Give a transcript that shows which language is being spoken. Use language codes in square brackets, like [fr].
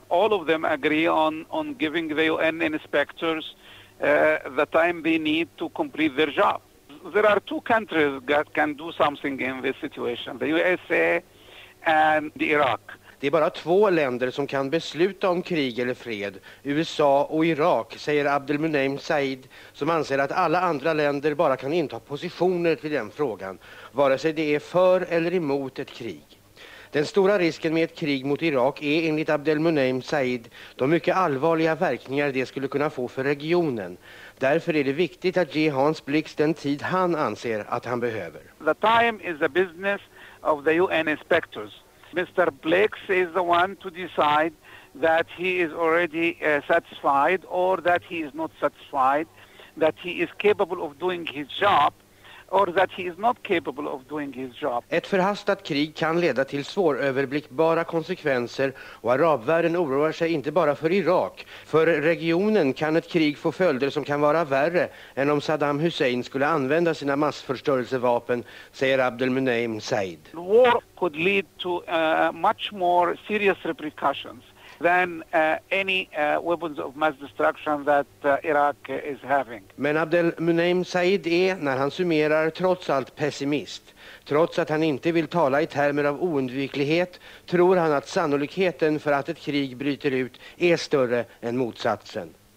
[en] All of them agree on giving the UN inspectors the time they need to complete their job. There are two countries that can do something in this situation, the USA and Iraq. [sv] Det är bara två länder som kan besluta om krig eller fred, USA och Irak, säger Abdelmonem Said, som anser att alla andra länder bara kan inta positioner till den frågan, vare sig det är för eller emot ett krig. Den stora risken med ett krig mot Irak är enligt Abdelmonem Said de mycket allvarliga verkningar det skulle kunna få för regionen. Därför är det viktigt att ge Hans Blix den tid han anser att han behöver. [en] The time is the business of the UN inspectors. Mr. Blix is the one to decide that he is already satisfied or that he is not satisfied, that he is capable of doing his job or that he is not capable of doing his job. [sv] Ett förhastat krig kan leda till svåröverblickbara konsekvenser och arabvärlden oroar sig inte bara för Irak. För regionen kan ett krig få följder som kan vara värre än om Saddam Hussein skulle använda sina massförstörelsevapen, säger Abdelmonem Said. [en] War could lead to much more serious repercussions than any weapons of mass destruction that Iraq is having. [sv] Men Abdelmonem Said är, när han summerar, trots allt pessimist. Trots att han inte vill tala i termer av oundviklighet tror han att sannolikheten för att ett krig bryter ut är större än motsatsen.